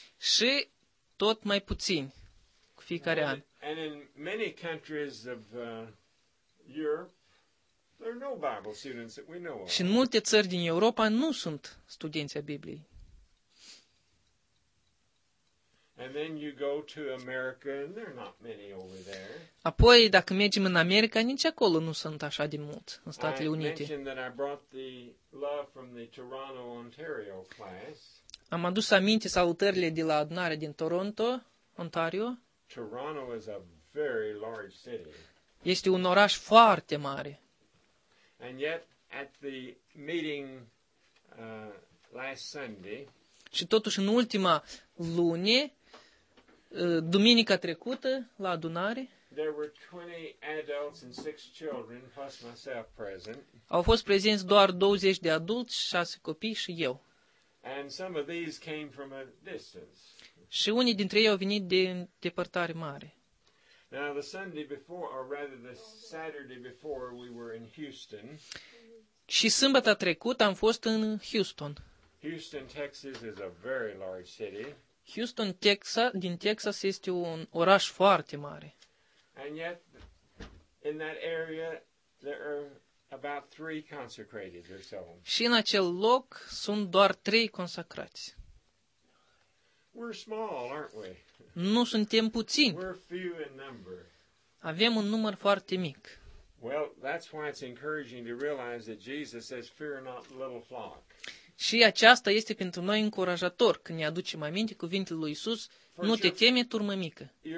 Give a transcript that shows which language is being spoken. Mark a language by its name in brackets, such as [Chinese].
[Romanian] Și tot mai puțini cu fiecare an. [English] And in many countries of Europe, there are no Bible students that we know of. [Romanian] Și în multe țări din Europa nu sunt studenți a Bibliei. [English] And then you go to America and there are not many over there. [Romanian] Apoi dacă mergem în America, nici acolo nu sunt așa de mult în Statele Unite. [English] I mentioned that I brought the love from the Toronto, Ontario class. [Romanian] Am adus aminte salutările de la adunare din Toronto, Ontario. [English] Toronto is a very large city. [Romanian] Este un oraș foarte mare. [English] And yet at the meeting last Sunday. [Romanian] Și totuși în ultima lună, duminica trecută, la adunare, [English] there were 20 adults and 6 children plus myself present. [Romanian] Au fost prezenți doar 20 de adulți, 6 copii și eu. [English] And some of these came from a distance. [Romanian] Și unii dintre ei au venit de depărtare mare. [English] Now the Sunday before, or rather the Saturday before, we were in Houston. [Romanian] Și sâmbătă trecută am fost în Houston. [English] Houston, Texas is a very large city. [Romanian] Houston, Texas, din Texas este un oraș foarte mare. [English] And yet, in that area, there are about 3 consecrated or so. [Romanian] Și în acel loc sunt doar 3 consacrați. [English] We're small, aren't we? [Romanian] Nu suntem puțini. [English] We're few in number. [Romanian] Avem un număr foarte mic. [English] Well, that's why it's encouraging to realize that Jesus says, "Fear not, little flock." [Romanian] Și aceasta este pentru noi încurajator când ne aducem aminte cuvintele lui Iisus, nu te teme, turmă mică.